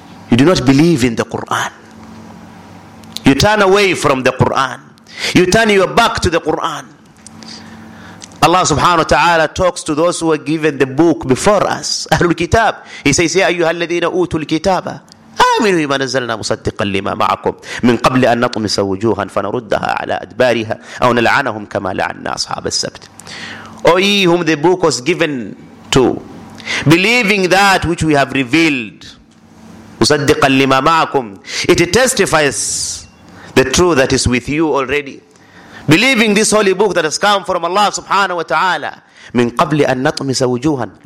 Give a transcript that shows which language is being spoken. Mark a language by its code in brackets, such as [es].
[en] You do not believe in the Quran. You turn away from the Quran. You turn your back to the Quran. Allah subhanahu wa ta'ala talks to those who are given the book before us, Ahlul Kitab. He says, [ar] Ya ayyuha alladhina utul kitaba. آمنوا بما نزلنا مصدقا لما معكم من قبل أن نطمس وجوها فنردها على أدبارها أو نلعنهم كما لعنا أصحاب السبت. [en] O ye whom the book was given to, believing that which we have revealed, [ar] مُصَدِّقًا لِمَا مَعَكُمْ, [en] it testifies the truth that is with you already. Believing this holy book that has come from Allah subhanahu wa ta'ala, [ar] مِنْ قَبْلِ أَن نَطْمِسَ وُجُوهًا.